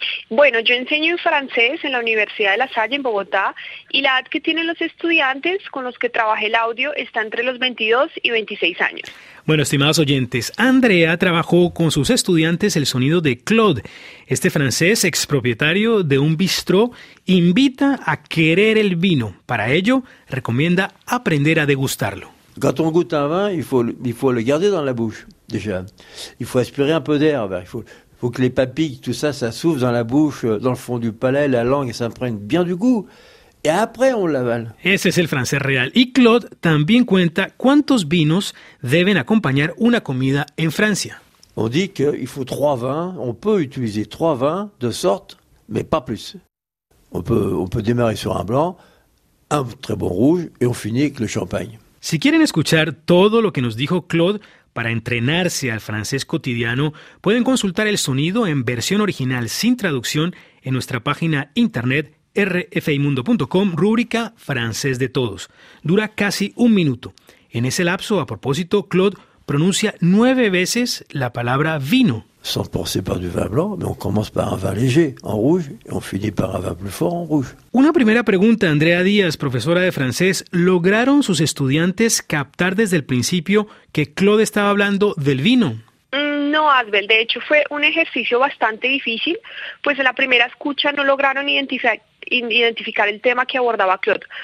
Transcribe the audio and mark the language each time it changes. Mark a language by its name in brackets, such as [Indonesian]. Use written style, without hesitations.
[Spanish] Bueno, yo enseño en francés en la Universidad de La Salle en Bogotá y la edad que tienen los estudiantes con los que trabajé el audio está entre los 22 y 26 años. Bueno, estimados oyentes, Andrea trabajó con sus estudiantes el sonido de Claude. Este francés, expropietario de un bistró, invita a querer el vino. Para ello, recomienda aprender a degustarlo. [French] Quand on goûte un vin, il faut le garder dans la bouche, déjà. Il faut aspirer un peu d'air, il faut que les papilles, tout ça, ça s'ouvre dans la bouche, dans le fond du palais, la langue, ça imprègne bien du goût. Et après, on l'avale. [Spanish] Ese es el francés real. Y Claude también cuenta cuántos vinos deben acompañar una comida en Francia. [French] On dit qu'il faut trois vins, on peut utiliser trois vins de sorte, mais pas plus. On peut démarrer sur un blanc, un très bon rouge, et on finit avec le champagne. [Spanish] Si quieren escuchar todo lo que nos dijo Claude para entrenarse al francés cotidiano, pueden consultar el sonido en versión original sin traducción en nuestra página internet rfimundo.com, rúbrica Francés de Todos. Dura casi un minuto. En ese lapso, a propósito, Claude pronuncia 9 veces la palabra vino. [French] Sans penser par du vin blanc, mais on commence par un vin léger en rouge et on finit par un vin plus fort en rouge. [Spanish] Una primera pregunta, Andrea Díaz, profesora de francés. ¿Lograron sus estudiantes captar desde el principio que Claude estaba hablando del vino? No, Asbel, de hecho fue un ejercicio bastante difícil, pues en la primera escucha no lograron identificar el tema que abordaba Claude.